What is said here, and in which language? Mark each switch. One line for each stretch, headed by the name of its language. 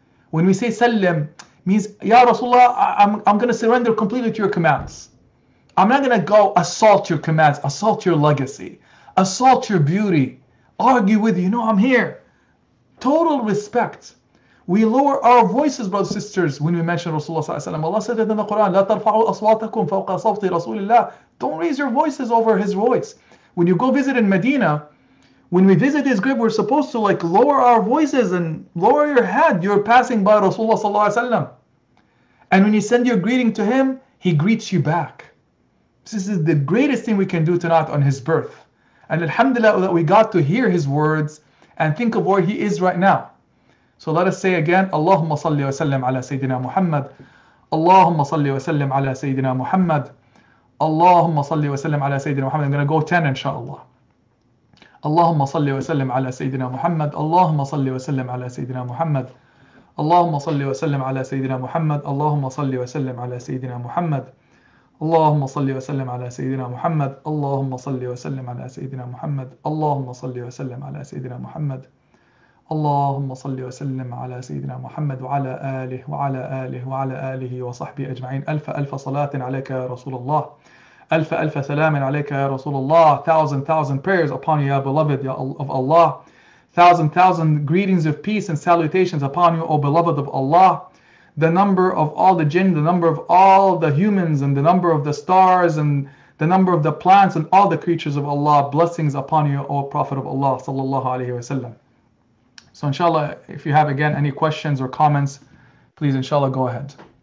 English: When we say sallam, means, Ya Rasulullah, I'm going to surrender completely to your commands. I'm not going to go assault your commands, assault your legacy, assault your beauty, argue with you. No, I'm here. Total respect. We lower our voices, brothers and sisters, when we mention Rasulullah. Allah said it in the Quran,
Arabic: لا ترفعوا أصواتكم فوق صوت رسول الله.
English: Don't raise your voices over his voice. When you go visit in Medina, when we visit his grave, we're supposed to like lower our voices and lower your head. You're passing by Rasulullah sallallahu alaihi wasallam, and when you send your greeting to him, he greets you back. This is the greatest thing we can do tonight on his birth. And alhamdulillah that we got to hear his words and think of where he is right now. So let us say again, Allahumma salli wa sallim ala Sayyidina Muhammad. Allahumma salli wa sallim ala Sayyidina Muhammad. Allahumma salli wa sallim ala Sayyidina Muhammad. I'm going to go 10 inshallah.
Arabic: اللهم صل وسلم على سيدنا محمد اللهم صل وسلم على سيدنا محمد اللهم صل وسلم على سيدنا محمد اللهم صل وسلم على سيدنا محمد اللهم صل وسلم على سيدنا محمد اللهم صل وسلم على سيدنا محمد اللهم صل وسلم على سيدنا محمد اللهم صل وسلم على سيدنا محمد وعلى آله وعلى آله وعلى آله وصحبه أجمعين ألف ألف صلاة عليك يا رسول الله
English: ألف ألف سلام عليك يا رسول الله thousand thousand prayers upon you, ya beloved of Allah thousand thousand greetings of peace and salutations upon you, O beloved of Allah the number of all the jinn, the number of all the humans and the number of the stars and the number of the plants and all the creatures of Allah blessings upon you, O Prophet of Allah sallallahu alayhi wa sallam. So inshallah, if you have again any questions or comments, please inshallah go ahead.